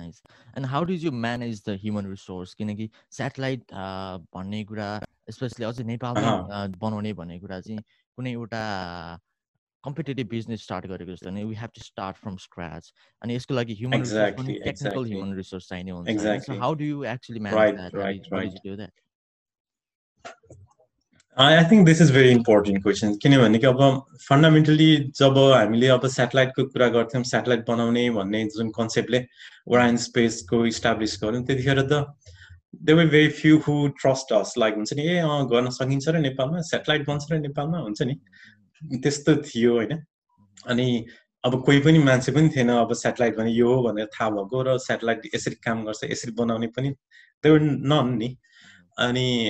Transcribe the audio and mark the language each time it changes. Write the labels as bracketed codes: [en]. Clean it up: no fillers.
[en] nice and how does you manage the human resource [ne] किनकि satellite भन्ने कुरा स्पेसली अझै नेपालमा बनाउने भन्ने कुरा चाहिँ कुनै एउटा कम्पिटेटिभ बिजनेस स्टार्ट गरेको जस्तो नै [en] we have to start from scratch [ne] अनि यसको लागि ह्युमन टेक्निकल ह्युमन रिसोर्स चाहिने हुन्छ [en] So how do you actually manage that I think this is a very important question. [ne] किनभनेदेखि अब फन्डामेन्टली जब हामीले अब सेटेलाइटको कुरा गर्थ्यौँ सेटेलाइट बनाउने भन्ने जुन कन्सेप्टले ओरायन स्पेसको इस्टाब्लिस गऱ्यौँ त्यतिखेर त [en] they were very few who trust us [ne] like हुन्छ नि ए अँ गर्न सकिन्छ र नेपालमा सेटेलाइट बन्छ र नेपालमा हुन्छ नि त्यस्तो थियो होइन अनि अब कोही पनि मान्छे पनि थिएन अब सेटेलाइट भने यो हो भनेर थाहा भएको र सेटेलाइट यसरी काम गर्छ यसरी बनाउने पनि [en] they were none [ne] नि अनि